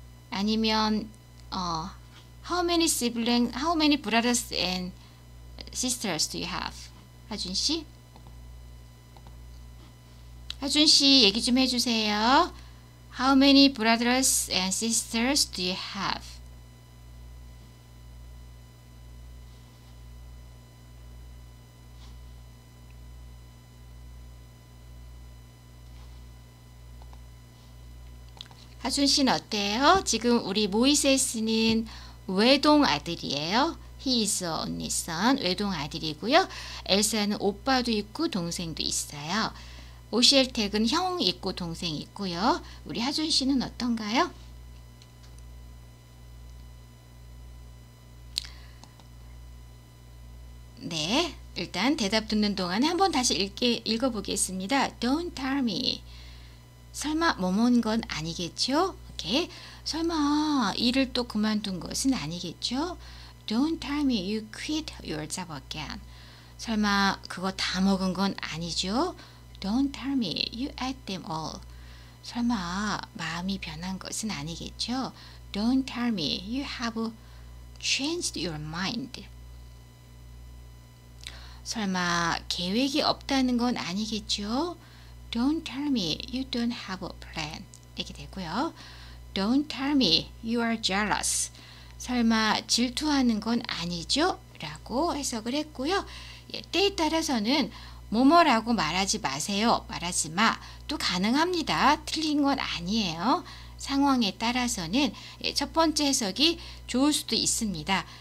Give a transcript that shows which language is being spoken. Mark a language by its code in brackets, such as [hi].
[ko] 아니면 [en] How many siblings, how many brothers and sisters do you have? [ko] 하준 씨? 하준 씨 얘기 좀 해주세요. [en] How many brothers and sisters do you have? [ko] 하준 씨는 어때요? 지금 우리 모이세스는 외동 아들이에요. [en] He is only son, [ko] 외동 아들이고요. 엘사는 오빠도 있고 동생도 있어요. 오시엘텍은 형 있고 동생 있고요. 우리 하준 씨는 어떤가요? 네, 일단 대답 듣는 동안에 한번 다시 읽어보겠습니다. [en] Don't tell me. [ko] 설마 뭐뭔 건 아니겠죠? 오케이. 설마 일을 또 그만둔 것은 아니겠죠? [en] Don't tell me you quit your job again. [ko] 설마 그거 다 먹은 건 아니죠? [en] Don't tell me you ate them all. [ko] 설마 마음이 변한 것은 아니겠죠? [en] Don't tell me you have changed your mind. [ko] 설마 계획이 없다는 건 아니겠죠? [en] Don't tell me you don't have a plan. [ko] 이렇게 되고요. [en] Don't tell me you are jealous. [ko] 설마 질투하는 건 아니죠? 라고 해석을 했고요. 예, 때에 따라서는 뭐뭐라고 말하지 마세요. 말하지 마. 또 가능합니다. 틀린 건 아니에요. 상황에 따라서는 첫 번째 해석이 좋을 수도 있습니다.